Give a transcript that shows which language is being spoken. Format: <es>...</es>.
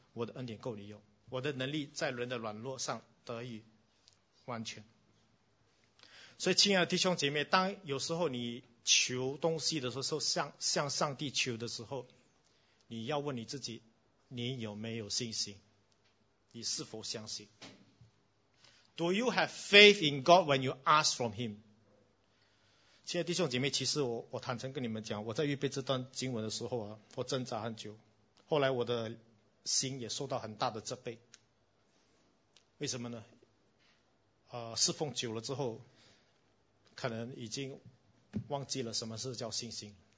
<zh>我的恩典够你用，我的能力在人的软弱上得以完全。所以亲爱的弟兄姐妹，当有时候你求东西的时候，向上帝求的时候，你要问你自己，你有没有信心？你是否相信？</zh> <en>Do you have faith in God when you ask from him?</en> <zh>亲爱的弟兄姐妹，其实 我坦诚跟你们讲，我在预备这段经文的时候啊，我挣扎很久，后来我的心也受到很大的责备。为什么呢？侍奉久了之后，可能已经忘记了什么是叫信心。</zh>